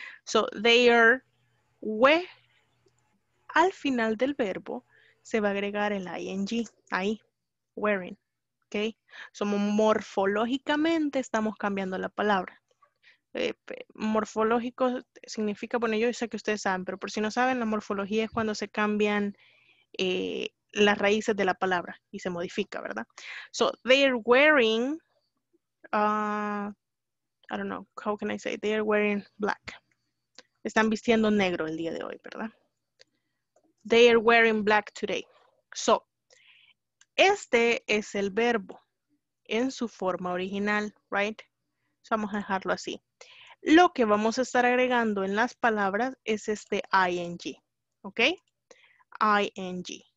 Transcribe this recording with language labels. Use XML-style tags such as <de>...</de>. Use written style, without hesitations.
<es>So, there. We, al final del verbo, se va a agregar el ing, ahí, wearing, ¿ok? Somos morfológicamente, estamos cambiando la palabra. Morfológico significa, bueno, yo sé que ustedes saben, pero por si no saben, la morfología es cuando se cambian las raíces de la palabra y se modifica, ¿verdad?</es> <en>So, they're wearing, I don't know, how can I say, they're wearing black.</en> <es>Están vistiendo negro el día de hoy, ¿verdad?</es> <en>They are wearing black today.</en> <es>So, este es el verbo en su forma original, right? So, vamos a dejarlo así. Lo que vamos a estar agregando en las palabras es este ing, ¿ok? Ing.</es>